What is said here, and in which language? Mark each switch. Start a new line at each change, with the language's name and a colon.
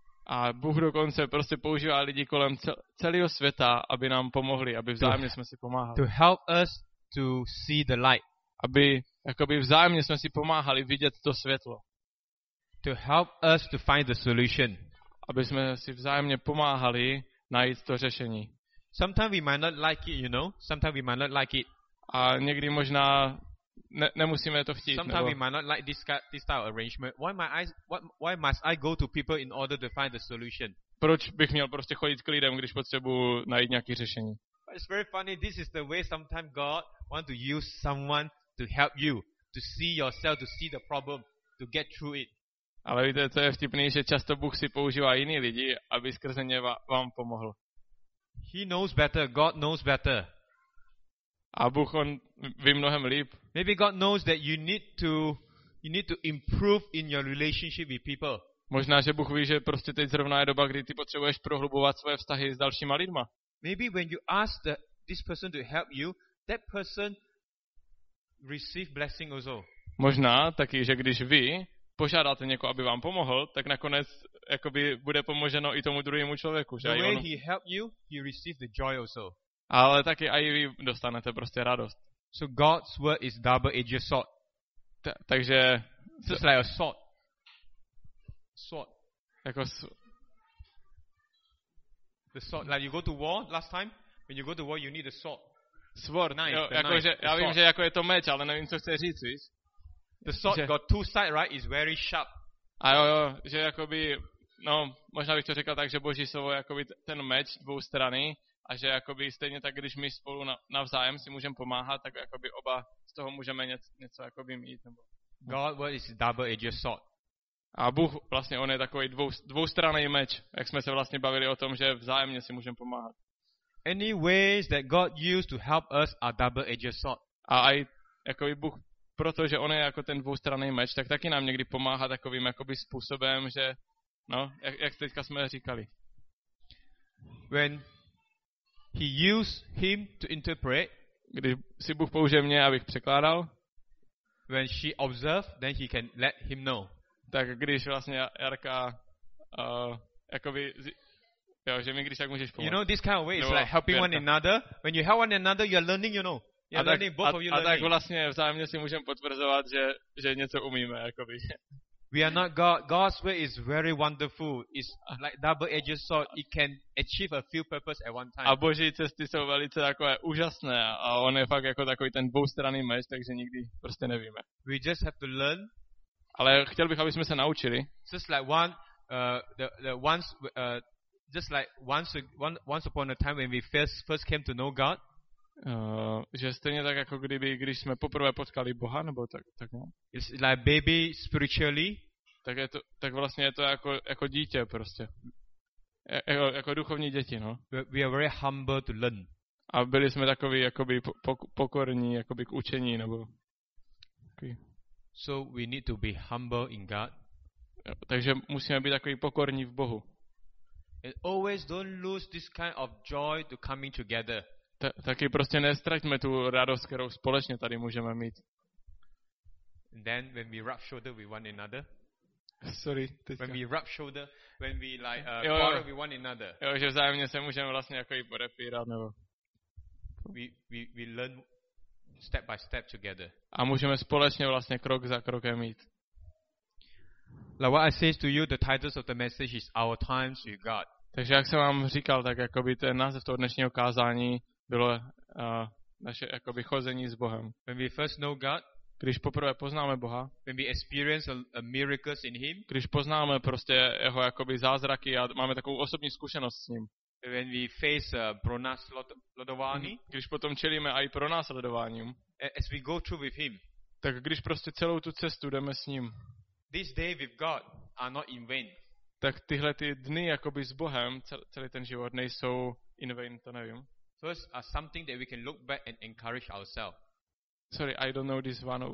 Czech: A Bůh dokonce prostě používá lidi kolem celého světa, aby nám pomohli, aby vzájemně jsme si pomáhali.
English: To help us to see the light.
Czech: Aby jakoby vzájemně jsme si pomáhali vidět to světlo.
English: To help us to find the solution.
Czech: Aby jsme si vzájemně pomáhali najít to řešení.
English: Sometimes we might not like it, you know. Sometimes we might not like it.
Czech: A někdy možná nemusíme to chtít.
English: Sometimes
Czech: nebo
English: we might not like this type of arrangement. Why must I go to people in order to find the solution?
Czech: Proč bych měl prostě chodit k lidem, když potřebuji najít nějaké řešení?
English: it's very funny. This is the way sometimes God wants to use someone to help you, to see yourself, to see the problem, to get through it.
Czech: Ale víte, co je vtipný, že často Bůh si používá jiný lidi, aby skrze ně vám pomohl.
English: He knows better, God knows better.
Czech: A Bůh on ví mnohem líp.
English: Maybe God knows that you need to improve in your relationship with people.
Czech: Možná že Bůh ví, že prostě teď zrovna je doba, kdy ty potřebuješ prohlubovat svoje vztahy s dalšíma lidma.
English: Maybe when you ask this person to help you, that person receive blessing also.
Czech: Možná taky, že když vy požádáte někoho, aby vám pomohl, tak nakonec jakoby bude pomoženo i tomu druhému člověku, že jo.
English: He help you, he receive the joy also.
Czech: Ale taky i vy dostanete prostě radost.
English: So God's word is double-edged sword.
Czech: Takže
English: it's like a sword. Sword.
Czech: Jako
English: the sword. Like you go to war last time. When you go to war, you need a sword. Sword. Knife.
Czech: Jo, jako
English: knife.
Czech: Já vím, že jako je to meč, ale nevím, co chce říct. Víš?
English: The sword got two sides, right? It's very sharp.
Czech: A jo, jo, že jakoby, no, možná bych to řekl tak, že Boží slovo je jakoby ten meč dvou strany. A že jakoby stejně tak, když my spolu navzájem si můžeme pomáhat, tak jakoby oba z toho můžeme něco jakoby mít. Nebo...
English: God word is double-edged sword.
Czech: A Bůh vlastně on je takový dvoustranný meč, jak jsme se vlastně bavili o tom, že vzájemně si můžeme pomáhat.
English: Any ways that God used to help us are double-edged sword.
Czech: A i jakoby Bůh, protože on je jako ten dvoustranný meč, tak taky nám někdy pomáhá takovým jakoby způsobem, že no, jak teďka jsme říkali.
English: When He used him to interpret.
Czech: Když si Bůh použije mě, abych překládal.
English: When she observed, then he can let him know.
Czech: Tak když vlastně Jarka, jakoby, jo, že mi když tak můžeš pomoct.
English: You know, this kind of way is like helping one another. When you help one another, you are learning, you know. You're learning, both of you learning.
Czech: A tak vlastně vzájemně si můžeme potvrzovat, že něco umíme, jakoby.
English: We are not God. God's way is very wonderful. It's like double-edged sword. It can achieve a few purposes at one time.
Czech: A Boží cesty jsou velice takové úžasné a on je fakt jako takový ten dvoustranný meč, takže nikdy prostě nevíme.
English: We just have to learn.
Czech: Ale chtěl bych, aby jsme se naučili.
English: Just like once upon a time when we first came to know God.
Czech: Že stejně tak jako kdyby, když jsme poprvé potkali Boha, nebo tak no.
English: It's like baby spiritually.
Czech: Tak je to, tak vlastně je to jako dítě prostě. Jako duchovní děti, no.
English: We are very humble to learn.
Czech: A byli jsme takoví jakoby pokorní jakoby k učení, nebo okay.
English: So we need to be humble in God.
Czech: Takže musíme být takoví pokorní v Bohu.
English: And always don't lose this kind of joy to coming together.
Czech: Taky prostě nestraťme tu radost, kterou společně tady můžeme mít.
English: Then when we rub shoulder with one another. Sorry. When we rub shoulder, when we like quarrel with one another.
Czech: Jo, že vzájemně se můžeme vlastně jako i podepírat nebo.
English: We learn step by step together.
Czech: A můžeme společně vlastně krok za krokem mít.
English: Like what I say to you, the titles of the message is Our Times with God.
Czech: Takže jak jsem vám říkal, tak jakoby ten název toho dnešního kázání bylo naše jako vychození s Bohem.
English: When we first know God,
Czech: když poprvé poznáme Boha,
English: when we experience a miracles in him,
Czech: když poznáme prostě jeho jakoby zázraky a máme takovou osobní zkušenost s ním.
English: When we face pronásledování,
Czech: když potom čelíme aj pronásledováním,
English: as we go through with him,
Czech: tak když prostě celou tu cestu jdeme s ním.
English: This day with God are not in vain.
Czech: Tak tyhle ty dny jakoby s Bohem, celý ten život nejsou
English: in vain,
Czech: to nevím.
English: First are something that we can look back and encourage ourselves. Sorry, I don't know this one.